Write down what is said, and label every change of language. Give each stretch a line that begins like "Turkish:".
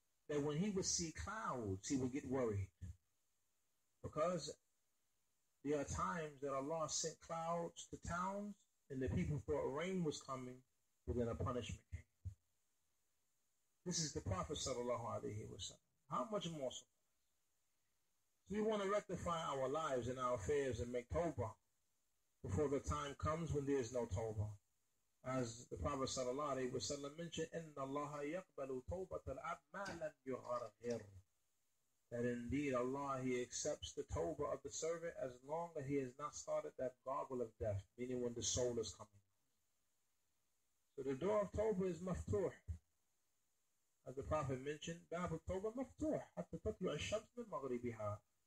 English: That when he would see clouds, he would get worried. Because there are times that Allah sent clouds to towns and the people thought rain was coming, but then a punishment came. This is the Prophet sallallahu alaihi wasallam. How much more so? So we want to rectify our lives and our affairs and make tawbah before the time comes when there is no tawbah. As the Prophet sallallahu alaihi wasallam mentioned,
Arabic: إِنَّ اللَّهَ يَقْبَلُ تَوْبَةَ الْعَبْ مَا لَمْ يُغَرْهِرُ.
English: That indeed Allah, he accepts the tawbah of the servant as long as he has not started that goggle of death, meaning when the soul is coming. So the door of tawbah is maftuh. As the Prophet mentioned, bab of tawbah maftuh,
Arabic: hatta tatlu' ash-shams min maghribiha.